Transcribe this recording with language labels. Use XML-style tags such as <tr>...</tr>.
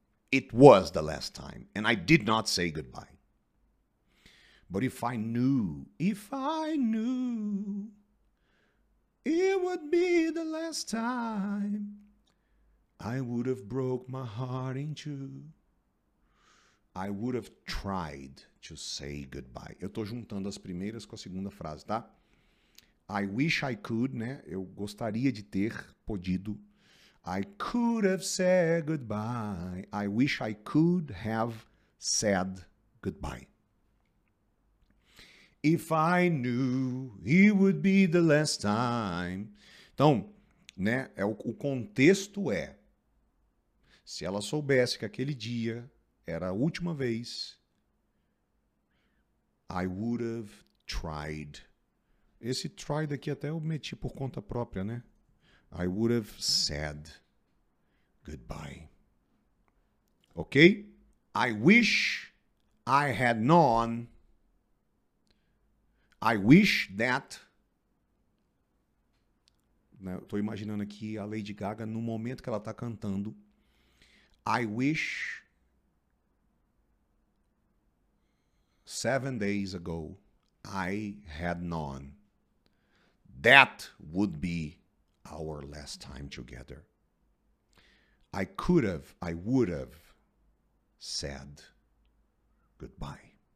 <en>It was the last time, and I did not say goodbye. But if I knew, it would be the last time, I would have broke my heart in two. I would have tried to say goodbye.</en> <pt>Eu tô juntando as primeiras com a segunda frase, tá?</pt> <en>I wish I could,</en> <pt>né? Eu gostaria de ter podido.</pt> <en>I could have said goodbye. I wish I could have said goodbye. If I knew it would be the last time.</en> <pt>Então, né? O contexto é... Se ela soubesse que aquele dia era a última vez,</pt> <en>I would have tried.</en> <pt>Esse tried aqui até eu meti por conta própria, né?</pt> <en>I would have said goodbye. Ok? I wish I had known. I wish that.</en> <pt>Né, eu tô imaginando aqui a Lady Gaga no momento que ela tá cantando.</pt> <en>I wish 7 days ago I had known that would be our last time together. I could have, I would have said goodbye.</en>